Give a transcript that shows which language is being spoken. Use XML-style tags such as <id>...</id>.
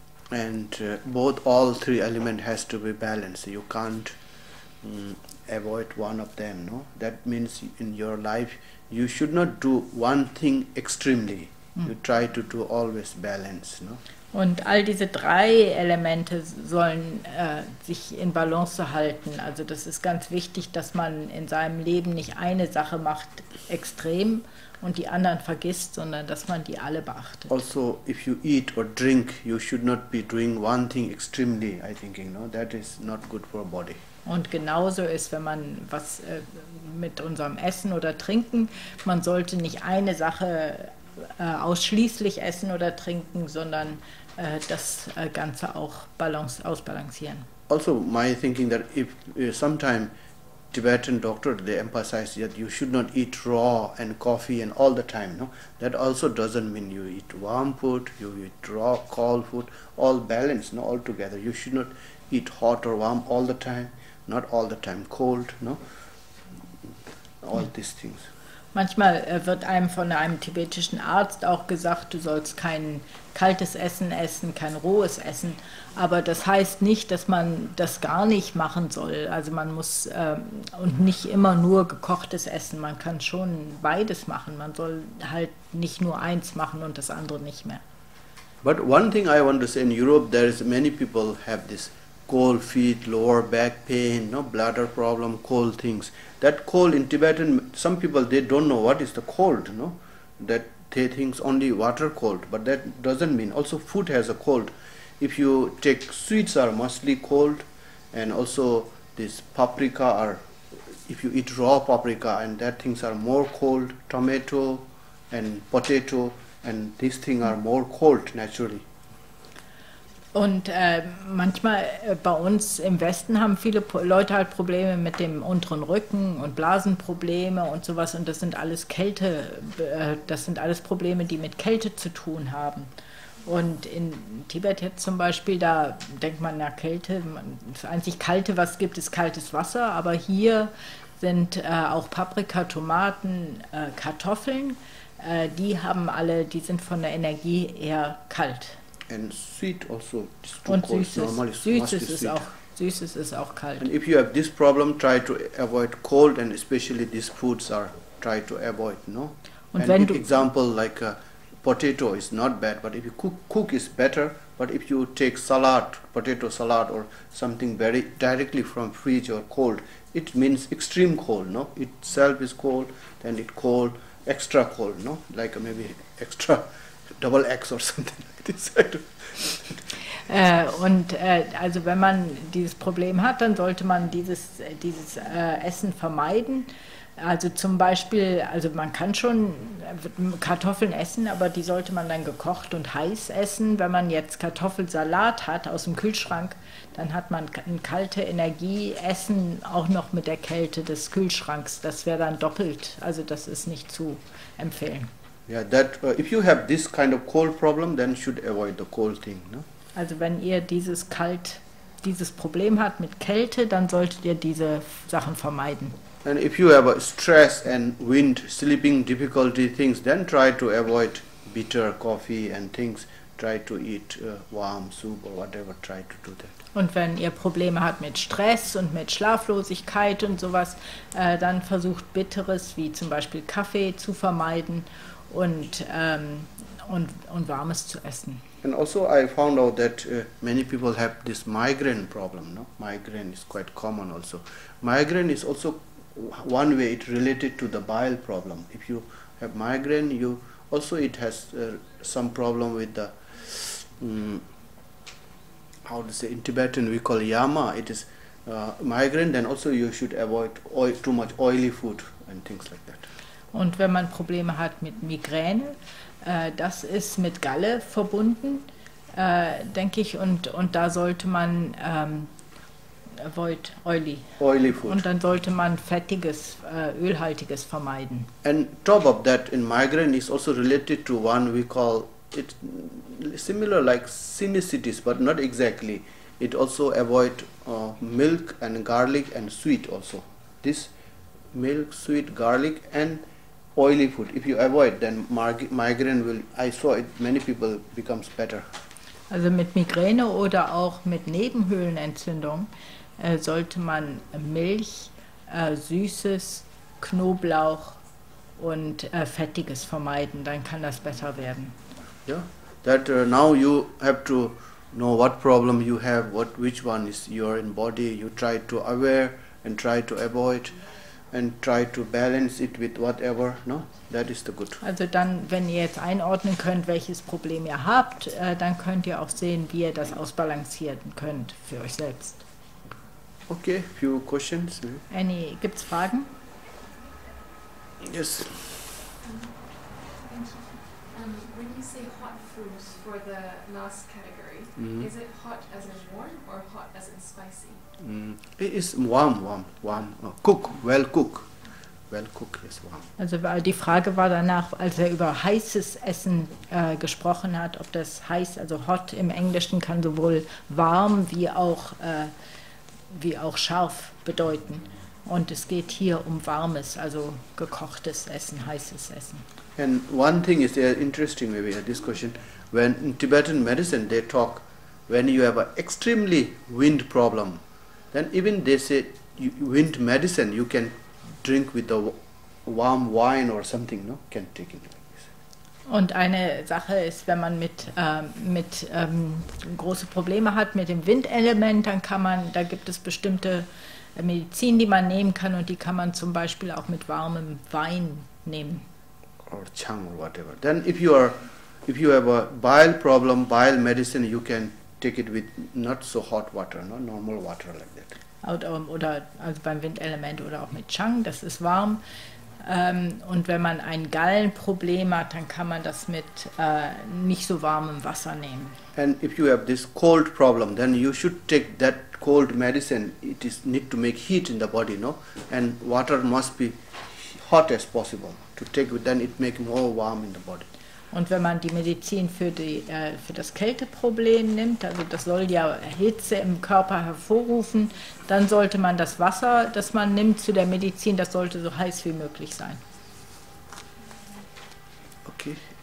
<en>And both all three element has to be balanced. You can't avoid one of them, no? That means in your life you should not do one thing extremely. You try to do always balance, no?</en> <de>Und all diese drei Elemente sollen sich in Balance halten. Also das ist ganz wichtig, dass man in seinem Leben nicht eine Sache macht extrem und die anderen vergisst, sondern dass man die alle beachtet.</de> <en>Also if you eat or drink, you should not be doing one thing extremely, I think, no? That is not good for body.</en> <de>Und genauso ist, wenn man was mit unserem Essen oder Trinken, man sollte nicht eine Sache ausschließlich essen oder trinken, sondern das Ganze auch ausbalancieren.</de> <en>Also my thinking that if sometime Tibetan doctor, they emphasize that you should not eat raw and coffee and all the time, no? That also doesn't mean you eat warm food, you eat raw, cold food, all balance, no? All together. You should not eat hot or warm all the time. Not all the time cold, no? All these things.</en> <de>Manchmal wird einem von einem tibetischen Arzt auch gesagt, du sollst kein kaltes Essen essen, kein rohes Essen. Aber das heißt nicht, dass man das gar nicht machen soll. Also man muss und nicht immer nur gekochtes Essen. Man kann schon beides machen. Man soll halt nicht nur eins machen und das andere nicht mehr.</de> <en>But one thing I want to say, in Europe, there is many people have this cold feet, lower back pain, no, bladder problem, cold things. That cold in Tibetan, some people, they don't know what is the cold, no? That they think only water cold, but that doesn't mean. Also food has a cold. If you take sweets are mostly cold, and also this paprika are, if you eat raw paprika, and that things are more cold, tomato and potato, and these things are more cold naturally.</en> <de>Und manchmal bei uns im Westen haben viele Leute halt Probleme mit dem unteren Rücken und Blasenprobleme und sowas, und das sind alles Kälte, das sind alles Probleme, die mit Kälte zu tun haben. Und in Tibet jetzt zum Beispiel, da denkt man nach Kälte, das einzig Kalte, was gibt, ist kaltes Wasser, aber hier sind auch Paprika, Tomaten, Kartoffeln, die haben alle, die sind von der Energie eher kalt.</de> <en>And sweet also, it's too cold.</en> <de>Süßes ist auch kalt.</de> <en>And if you have this problem, try to avoid cold, and especially these foods are, try to avoid, no?</en> <de>Und</de> <en>and</en> <de>wenn</de> <en>example like a potato is not bad, but if you cook is better, but if you take salad, potato salad or something very directly from fridge or cold, it means extreme cold, no? Itself is cold, then it cold, extra cold, no? Like maybe extra double X or something.</en> <de>Also wenn man dieses Problem hat, dann sollte man dieses Essen vermeiden. Also zum Beispiel, also man kann schon Kartoffeln essen, aber die sollte man dann gekocht und heiß essen. Wenn man jetzt Kartoffelsalat hat aus dem Kühlschrank, dann hat man ein kalte Energieessen auch noch mit der Kälte des Kühlschranks. Das wäre dann doppelt, also das ist nicht zu empfehlen.</de> <en>Yeah, that if you have this kind of cold problem, then you should avoid the cold thing, no?</en> <de>Also wenn ihr dieses Problem habt mit Kälte, dann solltet ihr diese Sachen vermeiden.</de> <en>And if you have a stress and wind, sleeping difficulty things, then try to avoid bitter coffee and things. Try to eat warm soup or whatever. Try to do that.</en> <de>Und wenn ihr Probleme habt mit Stress und mit Schlaflosigkeit und sowas, dann versucht Bitteres wie zum Beispiel Kaffee zu vermeiden und Warmes zu essen.</de> <en>And also, I found out that many people have this migraine problem. No? Migraine is quite common also. Migraine is also one way it related to the bile problem. If you have migraine, you also it has some problem with the how to say in Tibetan we call yama. It is migraine. Then also you should avoid too much oily food and things like that.</en> <de>Und wenn man Probleme hat mit Migräne, das ist mit Galle verbunden, denke ich. Und da sollte man</de> <en>avoid oily. Oily food.</en> <de>Und dann sollte man fettiges, ölhaltiges vermeiden.</de> <en>And top of that, in migraine is also related to one we call it similar like sinusitis, but not exactly. It also avoid milk and garlic and sweet also. This milk, sweet, garlic and oily food. If you avoid, then migraine will. I saw it. Many people becomes better.</en> <de>Also mit Migräne oder auch mit Nebenhöhlenentzündung sollte man Milch, Süßes, Knoblauch und Fettiges vermeiden, dann kann das besser werden.</de> <en>Yeah, that now you have to know what problem you have, what which one is your in body. You try to aware and try to avoid and try to balance it with whatever. No, that is the good.</en> <de>Also dann, wenn ihr jetzt einordnen könnt, welches Problem ihr habt, dann könnt ihr auch sehen, wie ihr das ausbalancieren könnt für euch selbst.</de> <en>Okay, few questions.</en> <de>Annie, gibt's Fragen?</de> <en>Yes. When you say hot food for the last category, is it hot as in warm or hot as in spicy? It is warm. Cook, well cook. Well cook, yes, warm.</en> <de>Also weil die Frage war danach, als er über heißes Essen gesprochen hat, ob das heiß, also hot im Englischen kann sowohl warm wie auch scharf bedeuten. Und es geht hier um warmes, also gekochtes Essen, heißes Essen.</de> <en>And one thing is interesting, maybe this question. When in Tibetan medicine, they talk when you have an extremely wind problem, then even they say wind medicine you can drink with a warm wine or something, no? Can take it.</en> <de>Und eine Sache ist, wenn man mit große Probleme hat mit dem Windelement, dann kann man, da gibt es bestimmte Medizin, die man nehmen kann und die kann man zum Beispiel auch mit warmem Wein nehmen.</de> <en>Or chang or whatever. Then if you have a bile problem, bile medicine, you can take it with not so hot water, no? Normal water like that.</en> <de>Oder also beim Windelement oder auch mit Chang, das ist warm. Und wenn man ein Gallenproblem hat, dann kann man das mit nicht so warmem Wasser nehmen.</de> <en>And if you have this cold problem, then you should take that cold medicine. It is need to make heat in the body, no? And water must be hot as possible. To take it, then it make more warm in the body.</en> <de>Und wenn man die Medizin für das Kälteproblem nimmt, also das soll ja Hitze im Körper hervorrufen, dann sollte man das Wasser, das man nimmt zu der Medizin, das sollte so heiß wie möglich sein.</de> <en>Okay.</en>